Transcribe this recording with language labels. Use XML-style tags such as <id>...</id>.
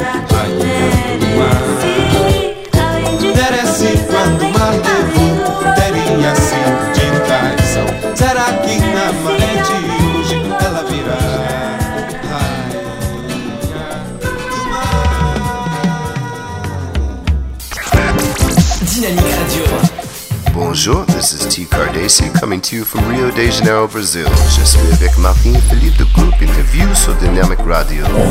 <pt>Vai olhando o mar. Interesse quando o mar derruba terinha assim de traição. Será que na maré de hoje ela virá? Dinâmica Radio.</pt> <fr>Bonjour,</fr> <en>this is Ti Cardazzi coming to you from Rio de Janeiro, Brazil.</en> <fr>Je suis avec Martin et Philippe de Group Interview sur Dynamic Radio.</fr>